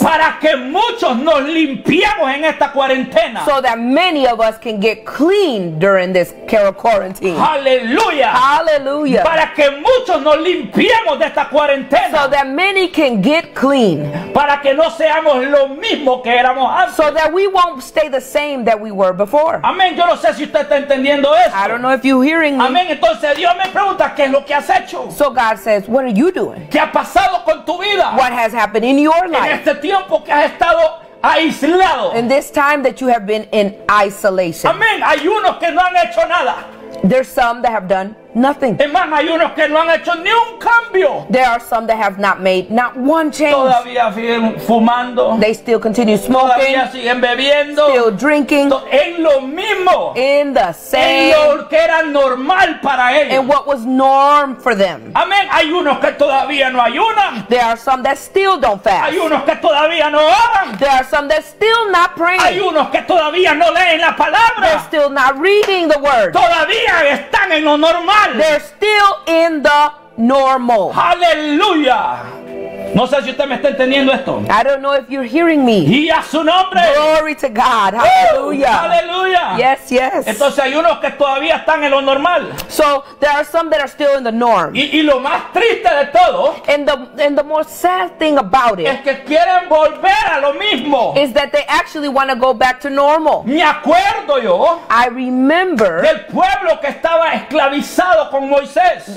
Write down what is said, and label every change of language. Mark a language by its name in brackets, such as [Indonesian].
[Spanish] Para que muchos nos limpiemos en esta cuarentena. [English] So that many of us can get clean during this quarantine. Hallelujah. Hallelujah. [Spanish] Para que muchos nos limpiemos de esta cuarentena. [English] So that many can get clean. [Spanish] Para que no seamos lo mismo que éramos antes. [English] So that we won't stay the same that we were before. [Spanish] Amén. Yo no sé si usted está entendiendo esto. [English] I don't know if you're hearing me. [Spanish] Amén. Entonces Dios me pregunta, ¿qué es lo que has hecho? [English] So God says, what are you doing? [Spanish] ¿Qué ha pasado con tu vida? [English] What has happened in your life? [Spanish] En este tiempo que has estado aislado. [English] In this time that you have been in isolation. [Spanish] Amén. Hay unos que no han hecho nada. [English] There's some that have done nothing. [Spanish] Man, hay unos que no han hecho ni un cambio. [English] There are some that have not made not one change. [Spanish] Todavía siguen fumando. [English] They still continue smoking. [Spanish] Todavía siguen bebiendo. [English] Still drinking. [Spanish] En lo mismo. [English] In the same. [Spanish] En lo que era normal para ellos. [English] And what was norm for them. [Spanish] Amen. Hay unos que todavía no ayunan. [English] There are some that still don't fast. [Spanish] Hay unos que todavía no oran. [English] There are some that still not praying. [Spanish] Hay unos que todavía no leen la palabra. [English] They're still not reading the word. [Spanish] Todavía están en lo normal. [English] They're still in the normal. Hallelujah. [Spanish] No sé si usted me está entendiendo esto. [English] I don't know if you're hearing me. [Spanish] Y a su nombre. [English] Glory to God. Hallelujah. Hallelujah. Yes, yes. [Spanish] Entonces hay unos que todavía están en lo normal. [English] So there are some that are still in the norm. [Spanish] Y lo más triste de todo. [English] And the more sad thing about it. [Spanish] Es que quieren volver a lo mismo. [English] Is that they actually want to go back to normal. [Spanish] Me acuerdo yo. [English] I remember. [Spanish] Del pueblo que estaba esclavizado con Moisés.